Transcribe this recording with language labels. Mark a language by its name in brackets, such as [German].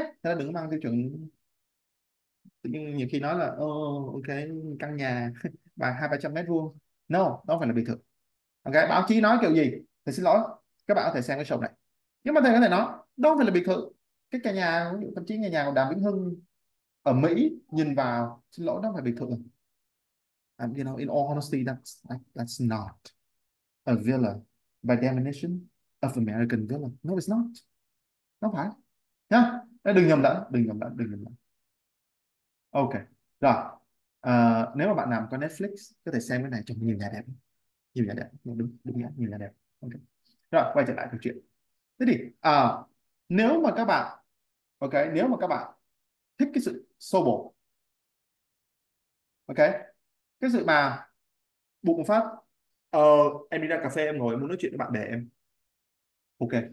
[Vietnamese] Thế là đừng mang tiêu chuẩn, nhưng nhiều khi nói là ô ok căn nhà vài 200-300 mét vuông, no, đó phải là biệt thự, ok. Báo chí nói kiểu gì thì xin lỗi, các bạn có thể xem cái show này, nhưng mà thầy có thể nói đó phải là biệt thự. Cái căn nhà, thậm chí nhà nhà của Đàm Vĩnh Hưng ở Mỹ nhìn vào, xin lỗi, đó phải biệt thự. [English] You know, in all honesty, that's not a villa by definition of American villa. No, it's not. [Vietnamese] Nó phải. Đừng nhầm lẫn, đừng nhầm lẫn, đừng nhầm lẫn. Ok, rồi. Nếu mà bạn nào có Netflix, có thể xem cái này trong nhiều nhà đẹp. Nhiều nhà đẹp, đúng, đúng, đúng nhá, nhiều nhà đẹp. Ok. Rồi, quay trở lại câu chuyện. Thế thì, nếu mà các bạn, ok, nếu mà các bạn thích cái sự xô bồ, ok, cái sự mà bụng một phát, em đi ra cà phê, em ngồi, em muốn nói chuyện với bạn bè em, ok.